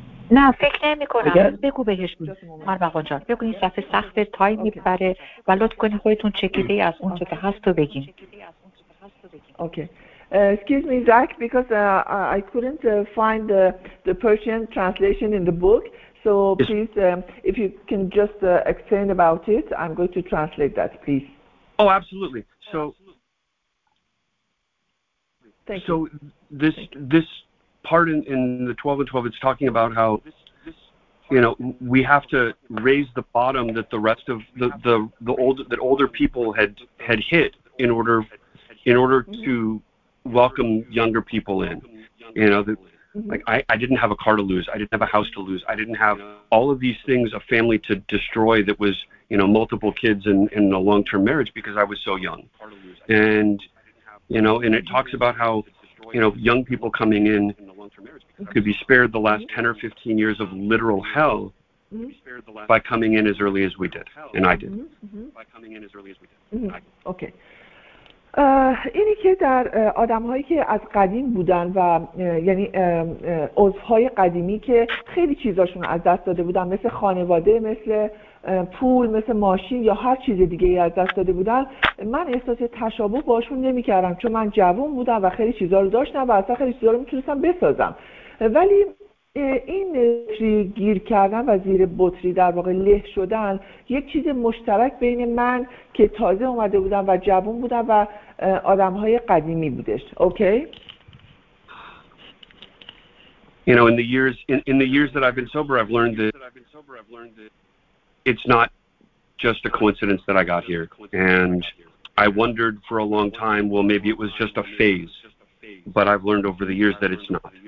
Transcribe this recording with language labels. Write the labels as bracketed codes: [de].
[fa] نه فکر نمی کنم. بگو بهش مربقان جان. بگو این صفحه سخت تایم میبره و لطف کنی خودتون چکیده از اون چه که هست رو بگیم. [en] Okay. Excuse me, Zach, because I couldn't find the Persian translation in the book. So yes. Please, if you can just explain about it, I'm going to translate that, please. Oh, absolutely. So, thank so you. This thank you. This part in the 12 and 12, it's talking about how, you know, we have to raise the bottom that the rest of the older people had hit in order to welcome younger people in. You know, I didn't have a car to lose. I didn't have a house to lose. I didn't have all of these things, a family to destroy that was, you know, multiple kids and a long-term marriage because I was so young. And, you know, and it talks about how, you know, young people coming in could be spared the last 10 or 15 years of literal hell by coming in as early as we did. And I did. By coming in as early as we did. Okay. [fa] اینی که در آدم‌هایی که از قدیم بودن و یعنی عضوهای قدیمی که خیلی چیزاشون از دست داده بودن، مثل خانواده، مثل پول، مثل ماشین یا هر چیز دیگه ای از دست داده بودن، من احساس تشابه باشون نمی کردم چون من جوان بودم و خیلی چیزها رو داشتم و اصلا خیلی چیزها رو میتونستم بسازم. ولی این گیر کردن و زیر بطری در واقع له شدن یک چیز مشترک بین من که تازه اومده بودم و جوان بودم و آدم‌های قدیمی بودش. [en] Okay? You know, in the years that I've been sober, I've learned that it's not just a coincidence that I got here. And I wondered for a long time, well, maybe it was just a phase. But I've learned over the years that it's not.